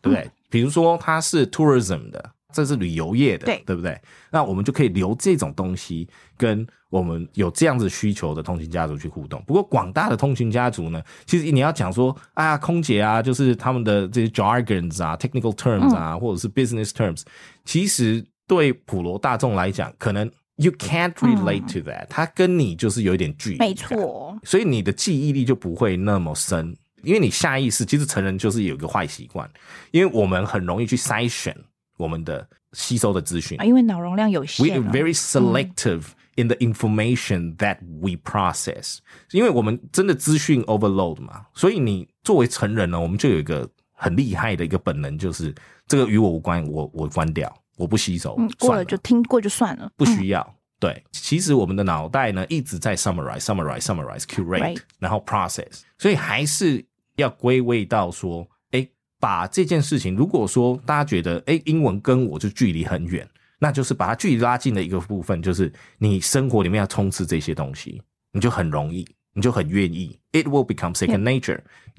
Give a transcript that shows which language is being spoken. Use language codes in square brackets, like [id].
[zh] 对不对、比如说他是 tourism 的这是旅游业的 对不对那我们就可以留这种东西跟我们有这样子需求的通勤家族去互动不过广大的通勤家族呢其实你要讲说空姐啊就是他们的这些 jargons 啊 [en] technical terms [zh] 啊、或者是 [en] business terms [zh] 其实对普罗大众来讲可能 [en] You can't relate to that、 [zh] 它跟你就是有一点距离没错所以你的记忆力就不会那么深因为你下意识其实成人就是有一个坏习惯因为我们很容易去筛选我们的吸收的资讯。因为脑容量有限。 [en] We are very selective in the information that we process. [zh] 因为我们真的资讯 overload 嘛。所以你作为成人呢，我们就有一个很厉害的一个本能，就是这个与我无关，我关掉，我不吸收。过了就听过就算了。不需要。对，其实我们的脑袋呢一直在 [en] summarize, curate,、right. [zh] 然后 process, 所以还是要归位到说，诶，把这件事情，如果说大家觉得，诶，英文跟我就距离很远，那就是把它距离拉近的一个部分，就是你生活里面要充斥这些东西，你就很容易，你就很愿意， [en] it will become second nature,、yeah.